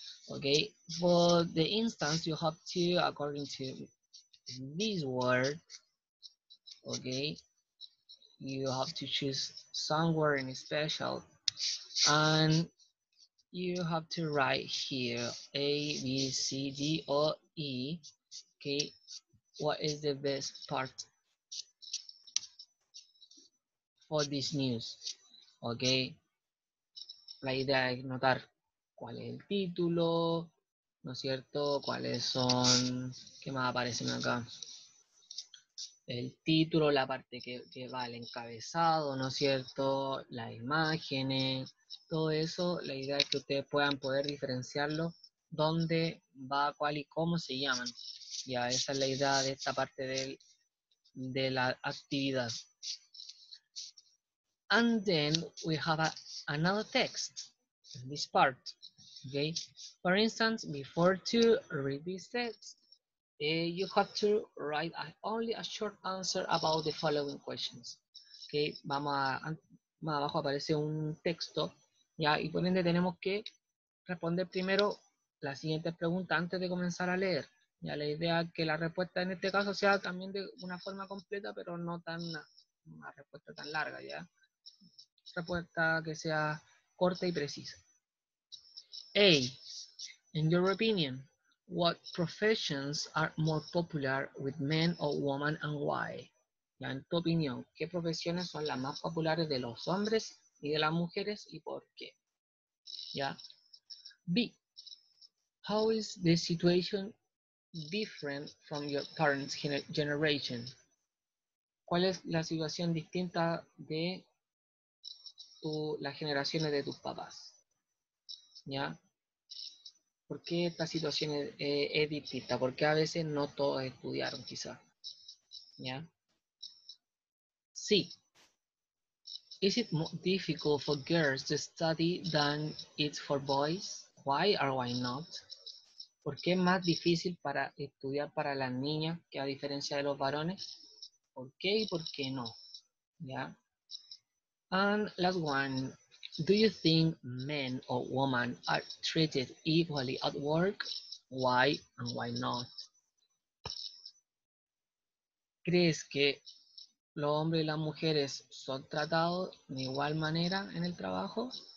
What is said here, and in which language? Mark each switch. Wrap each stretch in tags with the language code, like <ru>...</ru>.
<en>Okay, for the instance, you have to, according to this word, okay, you have to choose somewhere in special, and you have to write here A, B, C, D, or E. Okay, what is the best part for this news?</en> <es>Okay, la idea es notar cuál es el título, ¿no es cierto? ¿Cuáles son? ¿Qué más aparecen acá? El título, la parte que va al encabezado, ¿no es cierto? Las imágenes, todo eso, la idea es que ustedes puedan poder diferenciarlo, dónde va, cuál y cómo se llaman. Ya, esa es la idea de esta parte de la actividad.</es> <en>And then we have another text in this part. Okay. For instance, before to read this text, you have to write only a short answer about the following questions.</en> <es>Okay. Más abajo aparece un texto. Ya, y por ende tenemos que responder primero la siguiente pregunta antes de comenzar a leer. Ya, la idea es que la respuesta en este caso sea también de una forma completa, pero no tan una respuesta tan larga, ya. Respuesta que sea corta y precisa. A.</es> <en>In your opinion, what professions are more popular with men or women and why?</en> <es>Ya, en tu opinión, ¿qué profesiones son las más populares de los hombres y de las mujeres y por qué? Ya. B.</es> <en>How is the situation different from your parents' generation?</en> <es>¿Cuál es la situación distinta de las generaciones de tus papás? ¿Ya? ¿Por qué esta situación es distinta? Porque a veces no todos estudiaron, quizá. ¿Ya? Sí.</es> <en>Is it more difficult for girls to study than it's for boys? Why or why not?</en> <es>¿Por qué es más difícil para estudiar para las niñas que a diferencia de los varones? ¿Por qué y por qué no? ¿Ya?</es> <en>And last one, do you think men or women are treated equally at work? Why and why not?</en> <es>¿Crees que los hombres y las mujeres son tratados de igual manera en el trabajo?</es>